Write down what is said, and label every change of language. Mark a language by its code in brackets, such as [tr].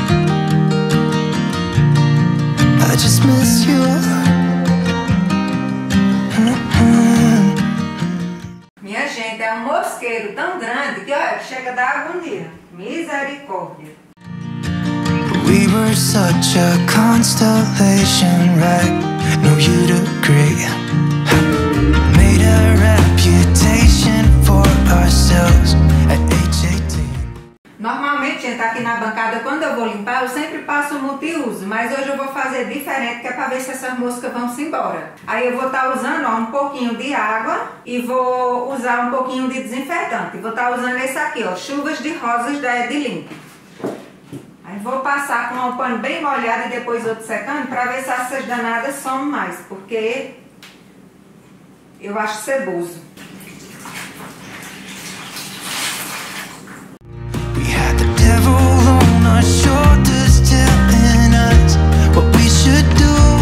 [en] I just miss you. [pt] Minha gente, é um mosqueiro tão grande que, olha, chega a dar agonia. Misericórdia. [en] We were such a constellation, right? No, you'd agree. Made a reputation for ourselves at HAT. [pt] Normalmente, gente, aqui na bancada, quando eu vou limpar, eu sempre passo multiuso. Mas hoje eu vou fazer diferente, que é pra ver se essas moscas vão se embora. Aí eu vou estar usando, ó, um pouquinho de água e vou usar um pouquinho de desinfetante. Vou estar usando esse aqui, ó, Chuvas de Rosas da Edlin. Vou passar com um pano bem molhado e depois outro secando para ver se essas danadas somam mais, porque eu acho ceboso. [en] We had the devil on our shoulders telling us what we should do.